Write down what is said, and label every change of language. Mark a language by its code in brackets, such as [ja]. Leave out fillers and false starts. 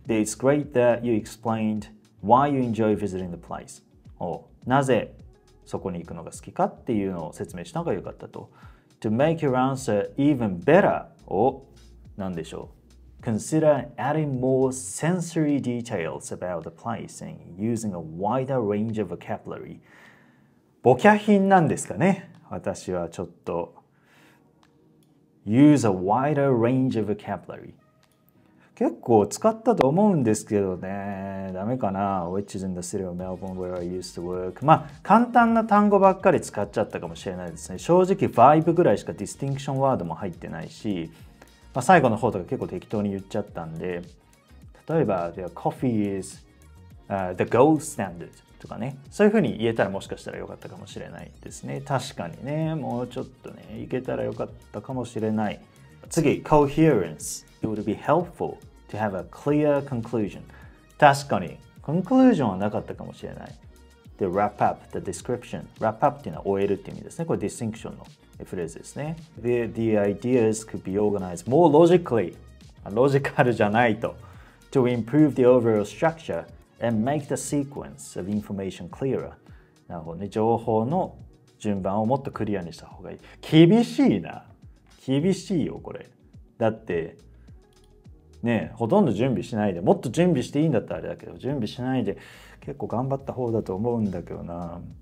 [en] で、It's great that you explained why you enjoy visiting the place. [ja] なぜそこに行くのが好きかっていうのを説明したのがよかったと。 [en] To make your answer even better, [ja] なんでしょう。 [en] Consider adding more sensory details about the place and using a wider range of vocabulary. [ja] ボキャ品なんですかね。私はちょっと。 [en] Use a wider range of vocabulary. [ja] 結構使ったと思うんですけどね。ダメかな。 [en] Which is in the city of Melbourne where I used to work. [ja] まあ、簡単な単語ばっかり使っちゃったかもしれないですね。正直、vibe ぐらいしかディスティンクションワードも入ってないし、まあ、最後の方とか結構適当に言っちゃったんで、例えば、 [en] coffee is the gold standard [ja] とかね、そういうふうに言えたらもしかしたらよかったかもしれないですね。確かにね、もうちょっとね、いけたらよかったかもしれない。次、coherence。 [en] It would be helpful to have a clear conclusion. [ja] 確かに、コンクルージョンはなかったかもしれない。 [en] で、wrap up the description。 [ja] wrap up っていうのは終えるっていう意味ですね。これ、distinctionの。フレーズですね。 [en] The ideas could be organized more logically. [ja] ロジカルじゃないと。 [en] To improve the overall structure and make the sequence of information clearer. [ja] なるほどね。情報の順番をもっとクリアにした方がいい。厳しいな。厳しいよ、これ。だって、ねえ、ほとんど準備しないで。もっと準備していいんだったらあれだけど、準備しないで結構頑張った方だと思うんだけどな。